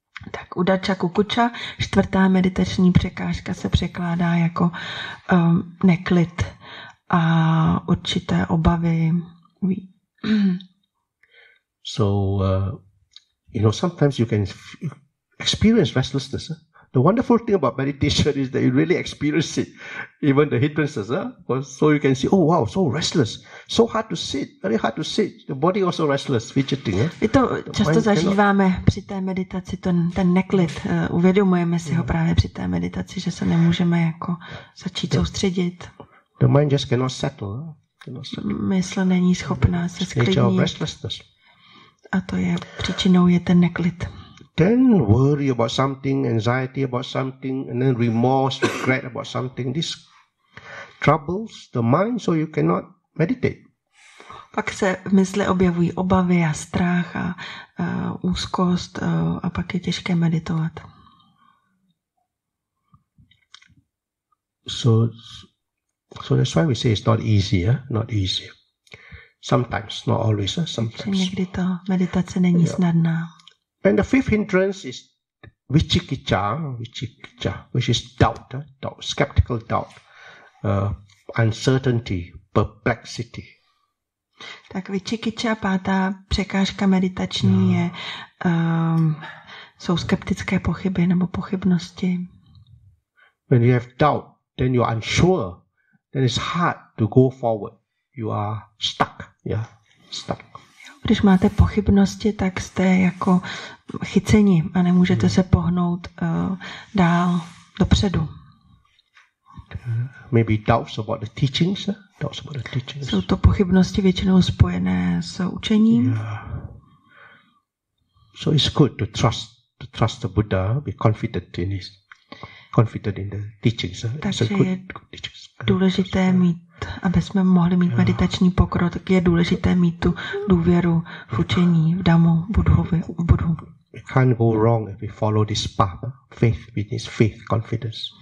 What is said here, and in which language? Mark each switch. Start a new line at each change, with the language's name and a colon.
Czech: Tak udaccha kukuccha, čtvrtá meditační překážka, se překládá jako neklid a určité obavy.
English: So, you know, sometimes you can experience restlessness. The wonderful thing about meditation is that you really experience it, even the hindrances. So you can see, oh wow, so restless, so hard to sit, very hard to sit. The body also restless, fidgeting.
Czech: To často zažíváme při té meditaci, ten neklid. Uvědomujeme si ho právě při té meditaci, že se nemůžeme jako začít soustředit.
English: The mind just cannot settle.
Czech: Mysl není schopná se sklidnit.
English: Nature of restlessness.
Czech: A to je příčinou je ten neklid.
English: Then worry about something, anxiety about something, and then remorse, regret about something. This troubles the mind, so you cannot meditate.
Czech: Pak se v mysli objevují obavy a strach a úzkost a pak je těžké meditovat.
English: So that's why we say it's not easy, not easy. Sometimes, not always, sometimes.
Czech: Někdy to meditace není snadná.
English: And the fifth hindrance is vichikicca, which is doubt, skeptical doubt, uncertainty, perplexity.
Czech: Tak vichikicca, pátá překážka meditační je, jsou skeptické pochyby nebo pochybnosti.
English: When you have doubt, then you're unsure, then it's hard to go forward. You are stuck. Yeah, stuck.
Czech: Když máte pochybnosti, tak jste jako chyceni a nemůžete se pohnout dál dopředu.
English: Maybe doubts about the teachings. Doubts about the teachings.
Czech: Jsou to pochybnosti většinou spojené s učením.
English: Yeah. So it's good to trust the Buddha, be confident in his. Confident in the teachings.
Czech: Takže je důležité mít, aby jsme mohli mít meditační pokrok, tak je důležité mít tu důvěru v učení, v dhammu, v Buddhu.
English: We can't go wrong if we follow this path. Faith, which is faith, confidence.